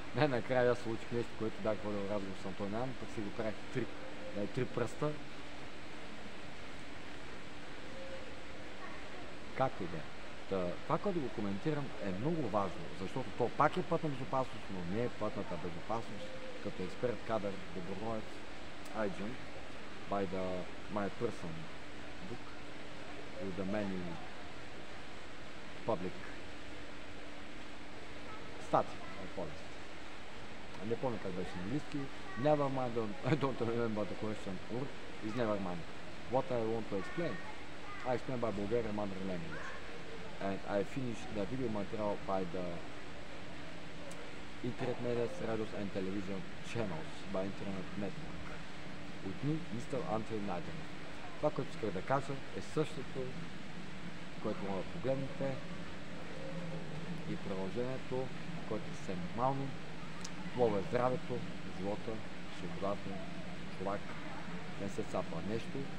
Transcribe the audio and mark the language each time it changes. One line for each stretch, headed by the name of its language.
Bulgarian: Най-накрая аз случих нещо, което бях водил разговор с Антон Ян, пък си го правих 3, да, 3 пръста. Както и да. Това, което го коментирам, е много важно, защото то пак е пътна безопасност, но не е пътната безопасност. Като експерт кадър, доброволец,
English: agent, by the my person book, with the many public
Bulgarian: стати на полицията. Не помня как беше на английски.
English: Never mind, I don't remember the question word, is never mind. What I want to explain? I explain by Bulgarian mother language. And I finish the video material by the internet media, radios and television channels by internet network. With me, Mr. Andrei Nadine.
Bulgarian: Това, което искам да кажа, е същото, което мога да погледнете и приложението, което е нормално. Това е здравето, живота, свободата, човек, не се цапа нещо.